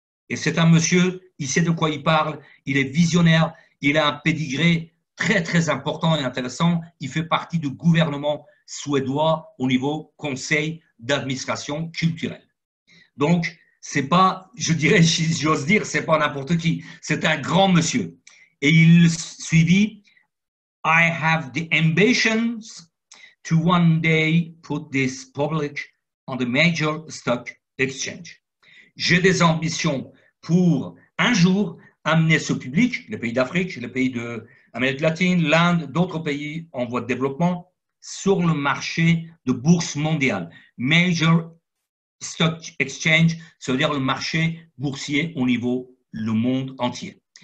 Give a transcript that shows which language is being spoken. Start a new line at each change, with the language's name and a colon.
French: Et c'est un monsieur, il sait de quoi il parle, il est visionnaire, il a un pédigré très très important et intéressant. Il fait partie du gouvernement suédois au niveau conseil d'administration culturelle. Donc, c'est pas, je dirais, si j'ose dire, c'est pas n'importe qui. C'est un grand monsieur. Et il suivit,
English: I have the ambitions to one day put this public on the major stock exchange.
French: J'ai des ambitions pour un jour amener ce public, les pays d'Afrique, les pays d'Amérique latine, l'Inde, d'autres pays en voie de développement, sur le marché de bourse mondiale.
English: Major stock exchange,
French: c'est-à-dire le marché boursier au niveau le monde entier.